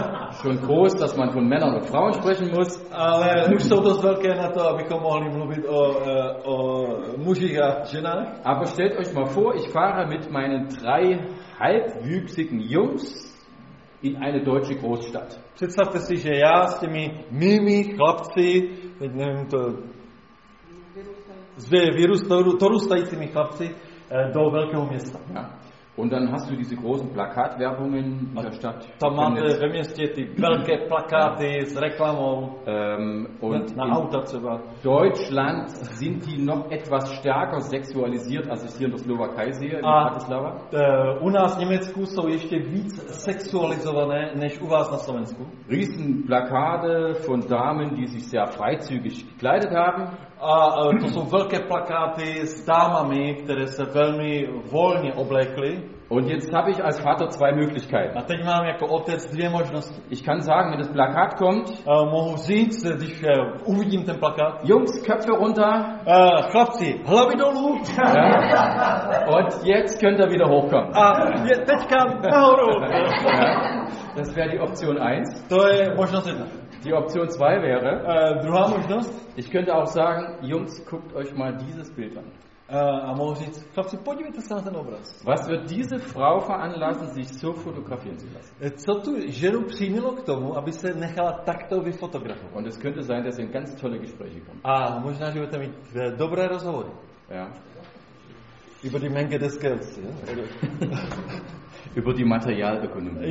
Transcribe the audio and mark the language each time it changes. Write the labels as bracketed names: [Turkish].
[German] schon groß, dass man von Männern und Frauen sprechen muss. [Czech] Ale už jsou dost velké na to, abychom mohli mluvit o mužích a ženách. [German] Aber stellt euch mal vor, ich fahre mit meinen 3 halbwüchsigen Jungs in eine deutsche Großstadt. [Czech] Představte si, že já s těmi mými chlapci, nevím to, dorůstajícími chlapci, do velkého města. [German] Ja. Und dann hast du diese großen Plakatwerbungen in der Stadt. [Czech] Tam máte ve městě ty velké plakáty s reklamou. Auta třeba. [German] Deutschland sind die noch etwas stärker sexualisiert, als ich hier in der Slowakei sehe, in Bratislava. [Czech] U nás v Německu jsou ještě víc sexualizované, než u vás na Slovensku. [German] Riesenplakate von Damen, die sich sehr freizügig gekleidet haben. [Czech] A to jsou velké plakáty s dámami, které se velmi volně oblékly. [German] Und jetzt habe ich als Vater 2 Möglichkeiten. [Czech] A teď mám jako otec 2 možnosti. [German] Ich kann sagen, wenn das Plakat kommt. [Czech] Mohu říct, když uvidím ten plakát. [German] Jungs, Köpfe runter. [Czech] Chlapci, hlavy dolů. Ja. [German] Und jetzt könnt ihr wieder hochkommen. [Czech] A teďka nahoru. [German] Das wäre die Option 1. [Czech] To je možnost 1. [German] Die Option 2 wäre, [Czech] druhá možnost. [German] Ich könnte auch sagen, Jungs, guckt euch mal dieses Bild an. [Czech] A mohu říct, chlapci, podívejte se na ten obraz. [German] Was wird diese Frau veranlassen, sich so fotografieren zu lassen? [Czech] Co tu ženu přimělo k tomu, aby se nechala takto vyfotografovat? [German] Und es könnte sein, dass sie in ganz tolle Gespräche kommt. [Czech] A možná, že budete mít dobré rozhovory. [German] Ja. Über die Menge des Gelds, ja? Über die Materialökonomie.